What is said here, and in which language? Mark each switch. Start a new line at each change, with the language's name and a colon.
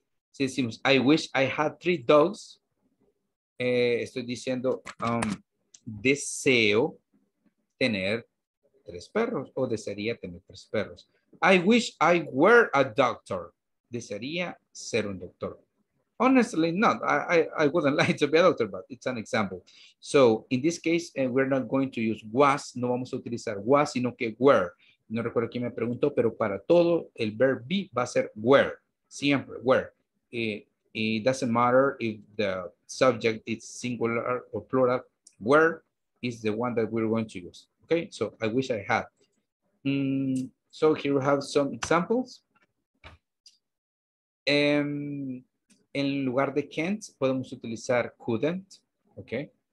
Spanish: Si decimos,
English: I wish I had 3 dogs,
Spanish: estoy diciendo, deseo tener 3 perros, o desearía tener 3 perros.
English: I wish I were a doctor,
Spanish: desearía ser un doctor.
English: Honestly, not. I wouldn't like to be a doctor, but it's an example. So in this case, we're not going to use was,
Spanish: no vamos a utilizar was, sino que
English: were.
Spanish: No recuerdo quién me preguntó, pero para todo, el verb be va a ser were, siempre, were.
English: It doesn't matter if the subject is singular or plural, were is the one that we're going to use. Okay, so I wish I had. So here we have some examples.
Spanish: En lugar de can't, podemos utilizar couldn't, ok?